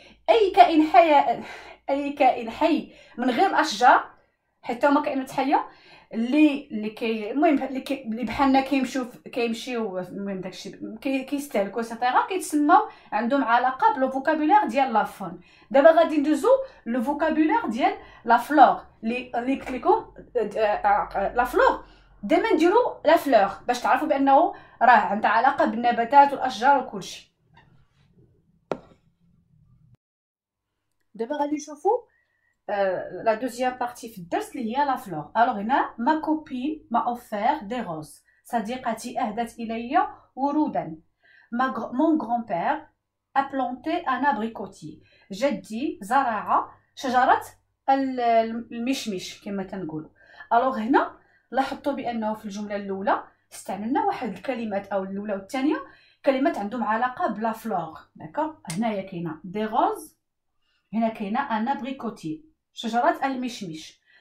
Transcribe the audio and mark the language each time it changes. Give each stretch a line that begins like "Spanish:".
Arabic: اي كائن حي، اي كائن حي من غير الاشجار حتى هما كائنات حيه، اللي كي المهم اللي بحالنا كيمشيو كيمشيو المهم داكشي كيستهلكو سيتيرا، كيتسموا عندهم علاقه بلو فوكابولير ديال لا فون. دابا غادي ندوزو لو فوكابولير ديال لا فلور، اللي قلت لكم لا فلور ديما نديرو لا فلور باش تعرفوا بانه راه عندها علاقه بالنباتات والاشجار وكلشي. دابا غادي نشوفو
French: la deuxième partie du cours qui est la fleur. Alors هنا ma copine m'a offert des roses.
Arabic: صديقتي اهدت الي ورودا.
French: Mon grand-père a planté un abricotier.
Arabic: جدي زرع شجرة المشمش كما تنقولوا. Alors هنا لاحظتوا بانه في الجمله الاولى استعملنا واحد الكلمات او الاولى والثانيه كلمات عندهم علاقه بلا فلور. داكوغ هنايا كاينه دي روز، هنا كاينه ان ابريكوتير شجرة المشمش.